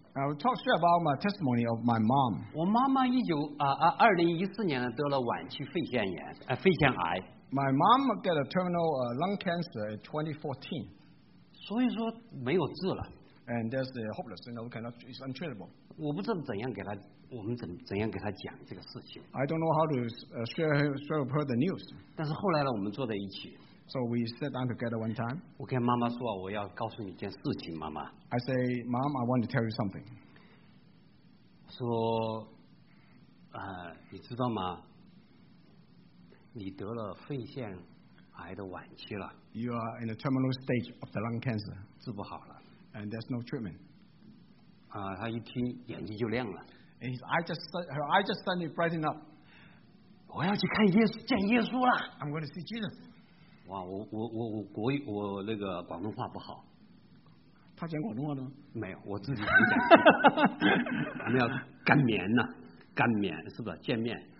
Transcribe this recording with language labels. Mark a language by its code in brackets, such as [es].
[en] I will talk straight about my testimony of my mom. [zh] 我妈妈2014年得了晚期肺腺炎，肺腺癌。 [en] My mom got a terminal lung cancer in 2014. [zh] 所以说没有治了。 [en] And there's a hopeless, you know, it's untreatable. [zh] 我不知道我们怎样给她讲这个事情。 [en] I don't know how to share with her the news. [zh] 但是后来呢，我们坐在一起。 [en] So we sat down together one time. [zh] 我跟妈妈说啊，我要告诉你一件事情，妈妈。 [en] I say, Mom, I want to tell you something. [zh] 说，你知道吗？你得了肺腺癌的晚期了。 [en] You are in a terminal stage of the lung cancer. [zh] 治不好了。 [en] And there's no treatment. [zh] 她一听眼睛就亮了。 [en] And her eyes just suddenly brightened up. [zh] 我要去看耶稣，见耶稣了。 [en] I'm going to see Jesus. [zh] 哇，我国语，我那个广东话不好。他讲广东话呢？没有，我自己讲。我们要干面呢，干面是不是见面？